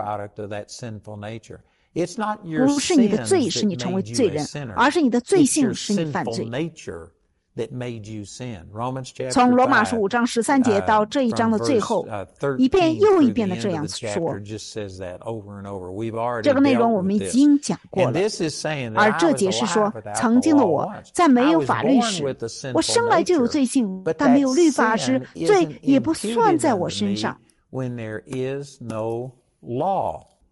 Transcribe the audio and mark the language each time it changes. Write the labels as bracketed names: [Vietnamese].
[English] And then our actions sin are the byproduct of that sinful nature. It's not your sin that made you a sinner. It's your sinful nature that made you sin. Romans chapter 5, [Chinese] 从罗马书五章十三节到这一章的最后，一遍又一遍的这样说。 [English] Just says that over and over. We've already dealt with this. And this is saying that I was alive without the law once. I was born with a sinful nature. But that sin isn't imputed to me when there is no law.